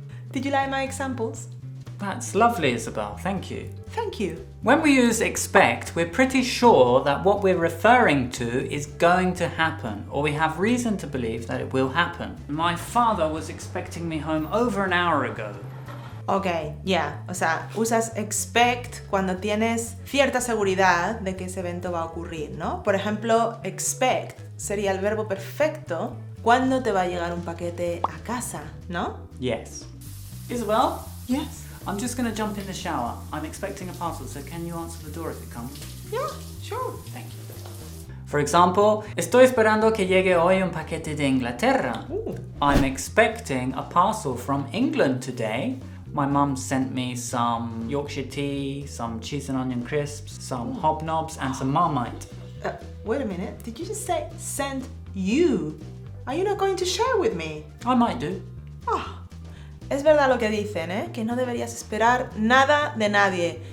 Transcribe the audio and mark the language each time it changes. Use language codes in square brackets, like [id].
[en] Did you like my examples? That's lovely, Isabel. Thank you. Thank you. When we use expect, we're pretty sure that what we're referring to is going to happen, or we have reason to believe that it will happen. My father was expecting me home over an hour ago. Ok, yeah. [es] O sea, usas expect cuando tienes cierta seguridad de que ese evento va a ocurrir, ¿no? Por ejemplo, expect sería el verbo perfecto cuando te va a llegar un paquete a casa, ¿no? [en] Yes. Isabel? Yes? I'm just gonna jump in the shower. I'm expecting a parcel, so can you answer the door if it comes? Yeah, sure. Thank you. For example, [es] estoy esperando que llegue hoy un paquete de Inglaterra. Ooh. [en] I'm expecting a parcel from England today. My mum sent me some Yorkshire tea, some cheese and onion crisps, some hobnobs, and some Marmite. Wait a minute, did you just say sent you? Are you not going to share with me? I might do. [es] Oh, Es verdad lo que dicen, ¿eh? Que no deberías esperar nada de nadie.